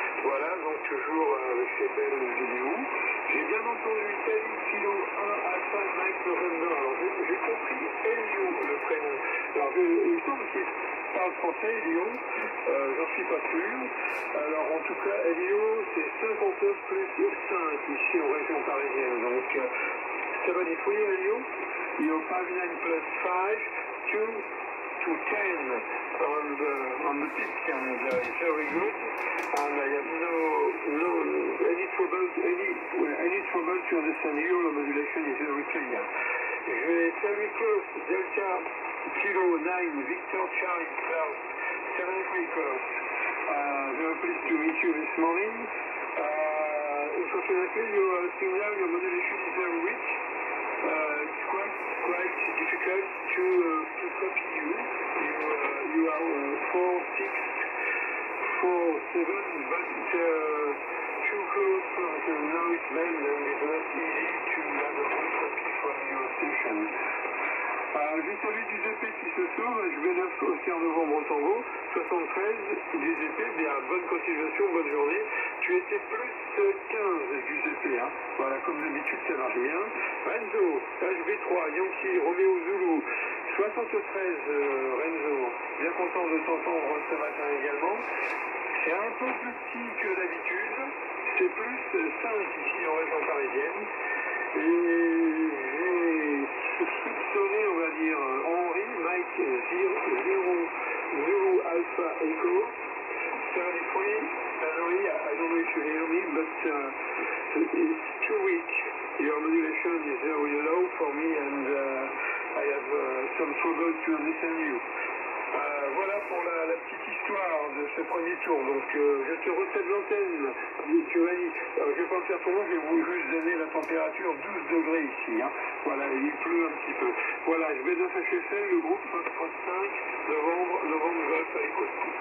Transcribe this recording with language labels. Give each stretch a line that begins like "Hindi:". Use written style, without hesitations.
French: Voilà, donc toujours avec ses belles vidéos. J'ai bien entendu Tali Kilo 1 Alpha Mike Render. Alors j'ai compris Elio, le prénom. Alors il semble qu'il parle français, Elio, j'en suis pas sûr. Alors en tout cas, Elio, c'est 59 plus 5 ici en région parisienne. Donc ça va dire fouiller Elio. Il y a 59 plus 5,
English: 2 to 10 on the disc, and very good. And I have no any trouble to understand you. The modulation is very clear.
French: Je vais saluer Klaus Delta Kilo 9 Victor Charlie Klaus. Salut Klaus.
English: Very pleased to meet you this morning. Unfortunately, your modulation is very weak. It's quite difficult to copy you. You are 4, 6, 4, 7, but too close for the noise band, and it's not easy to have a good copy from your station.
French: Je salue Giuseppe qui se sauve, je vais 9 au 15 novembre au Tango, 73, Giuseppe, bien, bonne continuation, bonne journée. Tu étais plus de 15, Giuseppe, hein. Voilà, comme d'habitude, ça marche bien. Renzo, HB3, Yankee, Romeo Zulu, 73, Renzo, bien content de t'entendre ce matin également. C'est un peu plus petit que d'habitude, c'est plus 5 ici en région parisienne. Et j'ai soupçonné, on va dire, Henri, Mike, Zero Alpha Echo. C'est un des premiers.
English: Henri, I don't know if you hear me, but it's too weak. Your modulation is very low for me, and I have some trouble to understand you.
French: Voilà pour la petite histoire de ce premier tour. Donc, je te recède l'antenne, Giovanni. Je vais pas le faire pour moi, je vais vous juste donner la température 12 degrés ici. Hein. Voilà, il pleut un petit peu. Voilà, je vais dans HFL, le groupe 35, novembre Golf à Écosse.